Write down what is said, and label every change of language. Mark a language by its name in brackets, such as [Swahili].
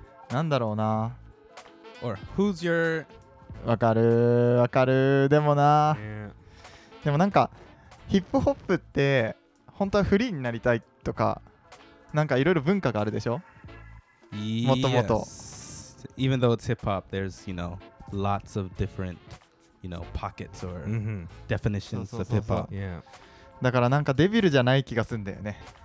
[Japanese] なんだろうな? [English] Or who's your... [Japanese] わかる。でもな。でもなんかヒップホップって本当はフリーになりたいとか なんかいろいろ文化があるでしょ? Yes. もともと。 [English] Even though it's hip-hop, there's, you know, lots of different... You know, pockets or definitions of hip hop. [Japanese] だからなんかデビルじゃない気がするんだよね.